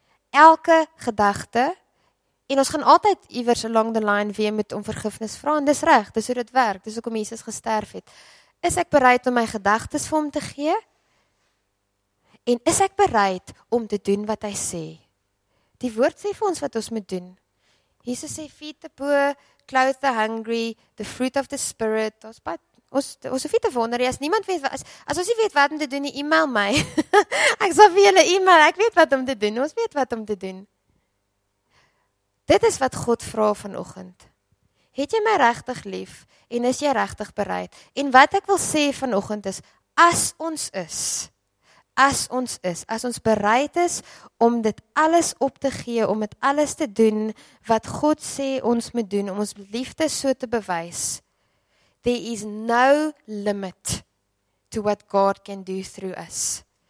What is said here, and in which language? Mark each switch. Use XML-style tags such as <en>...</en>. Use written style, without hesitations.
<af>Elke gedagte. En ons gaan altyd iewers</af> <en>along the line</en> <af>weer met om vergifnis vra. En dis reg, dis hoe dit werk. Dis hoekom Jesus gesterf het. Is ek bereid om my gedagtes vir hom te gee? En is ek bereid om te doen wat hy sê? Die woord sê vir ons wat ons moet doen.</af> <en>Jesus</en> <af>sê,</af> <en>feed the poor, clothe the hungry, the fruit of the spirit.</en> <af>Ons hoef nie te wonder, as niemand weet, as ons nie weet wat om te doen, e-mail my. Ek sal vir julle e-mail, ek weet wat om te doen, ons weet wat om te doen. Dit is wat God vra vanoggend. Het jy my regtig lief en is jy regtig bereid? En wat ek wil sê vanoggend is, as ons bereid is om dit alles op te gee, om dit alles te doen wat God sê ons moet doen, om ons liefde so te bewys,</af> <en>there is no limit to what God can do through us.</en>